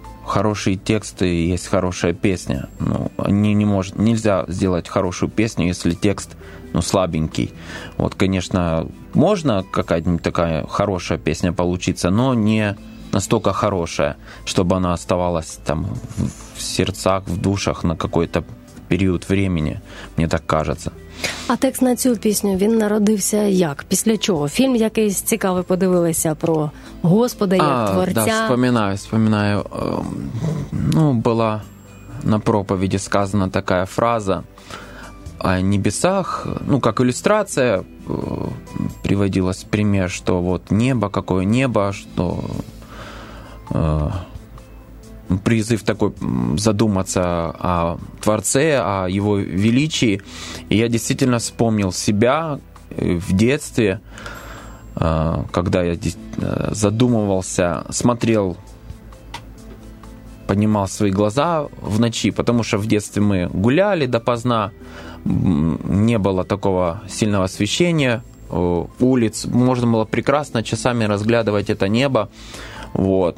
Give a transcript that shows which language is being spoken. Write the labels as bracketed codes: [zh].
[ru] хорошие тексты, есть хорошая песня. Ну, нельзя сделать хорошую песню, если текст, ну, слабенький. Вот, конечно, можно какая-нибудь такая хорошая песня получиться, но не настолько хорошая, чтобы она оставалась там в сердцах, в душах на какой-то період времени, [uk] мені так кажеться. А текст на цю пісню, він народився як? Після чого? Фільм якийсь цікавий подивилися про Господа, як творця? Так, да, спомінаю. Ну, була на проповіді сказана така фраза о небесах, ну, як ілюстрація, приводилась пример, що от небо, яке небо, що... [ru] призыв такой задуматься о Творце, о Его величии. И я действительно вспомнил себя в детстве, когда я задумывался, смотрел, поднимал свои глаза в ночи, потому что в детстве мы гуляли допоздна, не было такого сильного освещения улиц, можно было прекрасно часами разглядывать это небо. Вот.